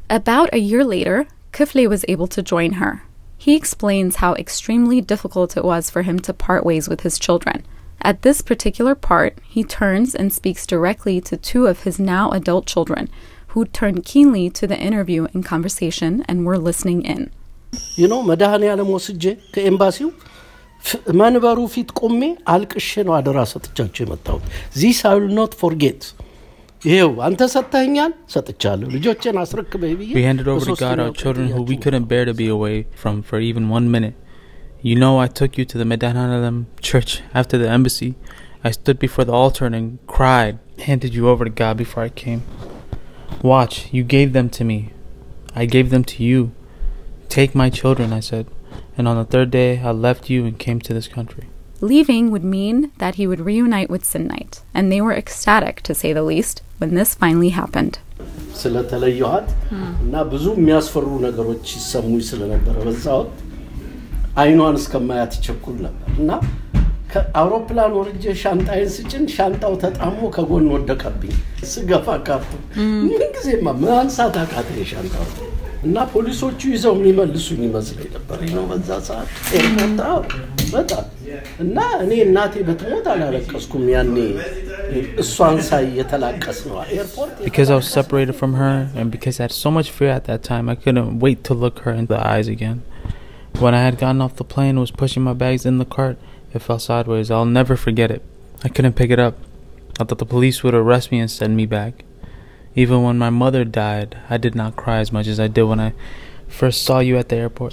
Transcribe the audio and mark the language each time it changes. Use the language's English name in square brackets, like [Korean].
[English] About a year later, Kifle was able to join her. He explains how extremely difficult it was for him to part ways with his children. At this particular part, he turns and speaks directly to two of his now adult children, who turned keenly to the interview and conversation and were listening in. You know, Madani Alamosije, the embassy. [Amharic] መንበሩ ፊት ቆሜ አልቅሼ ነው አደራ ሰጥቻቸው የመጣሁት [English] This I will not forget. [Amharic] ይሄው አንተ ሰጠኛል ሰጥቻለሁ ልጆቼን አስረክበይ ብዬ [English] We handed over to God our children who we couldn't bear to be away from for even 1 minute. You know I took you to the Medanan Alam church after the embassy. I stood before the altar and cried, handed you over to God before I came. Watch, you gave them to me. I gave them to you. Take my children, I said. And on the third day, I left you and came to this country. Leaving would mean that he would reunite with Sunlight. And they were ecstatic, to say the least, when this finally happened. [Amharic] ስለተለየሁት እና ብዙ የሚያስፈሩ ነገሮች ሲሰሙ ስለነበረ በዛው አይኗን እስከማያት ይቸኩል ነበር እና ከአውሮፕላን ወርጄ ሻንጣዬን ስጭን ሻንጣው ተጣሞ ከጎን ወደቀብኝ። ስገፋ ካፍ ምን ጊዜማ ማንሳት አቃተኝ ሻንጣው እና ፖሊሶቹ ይዘው የሚመልሱኝ ይመስለኝ ነበር ነው በዛ ሰዓት ኤርፖርት በጣም እና እኔ እናቴ በትሞት አላለቀስኩም ያኔ እሷን ሳይ የተላቀስ ነው ኤርፖርት [English] because I was separated from her and because I had so much fear at that time I couldn't wait to look her in the eyes again. When I had gotten off the plane and was pushing my bags in the cart, it fell sideways. I'll never forget it. I couldn't pick it up. I thought the police would arrest me and send me back. Even when my mother died, I did not cry as much as I did when I first saw you at the airport.